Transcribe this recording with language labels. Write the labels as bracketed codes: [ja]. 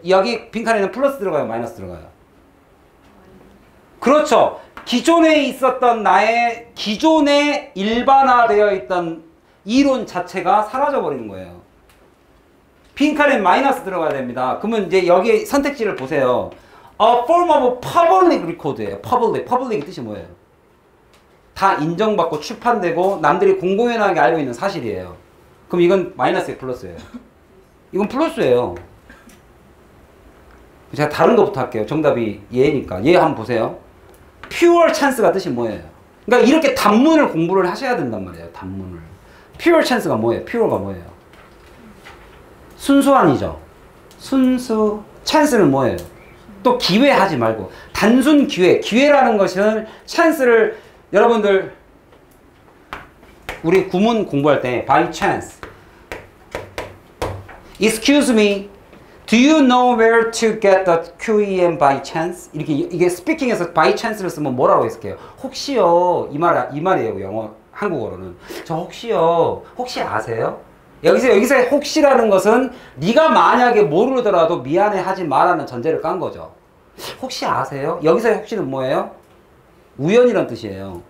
[ko] 여기 빈칸에는 플러스 들어가요? 마이너스 들어가요? 그렇죠. 기존에 있었던 나의 기존에 일반화되어 있던 이론 자체가 사라져버리는 거예요. 빈칸에 마이너스 들어가야 됩니다. 그러면 이제 여기 선택지를 보세요. [en] A form of public record예요. [ko] Public 뜻이 뭐예요? 다 인정받고 출판되고 남들이 공공연하게 알고 있는 사실이에요. 그럼 이건 마이너스예요? 플러스예요? 이건 플러스예요. 제가 다른 것부터 할게요. 정답이 얘니까. 얘 한번 보세요. Pure chance가 뜻이 뭐예요? 그러니까 이렇게 단문을 공부를 하셔야 된단 말이에요. 단문을. Pure chance가 뭐예요? Pure가 뭐예요? 순수한이죠. 순수. Chance는 뭐예요? 또 기회하지 말고. 단순 기회. 기회라는 것은 chance를 여러분들 우리 구문 공부할 때 by chance. [en] Excuse me. Do you know where to get the QEM by chance? [ko] 이렇게 이게 스피킹에서 by chance를 쓰면 뭐라고 했을게요? 혹시요. 이 말이에요. 영어 한국어로는. 저 혹시요. 혹시 아세요? 여기서 혹시라는 것은 네가 만약에 모르더라도 미안해 하지 말라는 전제를 깐 거죠. 혹시 아세요? 여기서 혹시는 뭐예요? 우연이란 뜻이에요.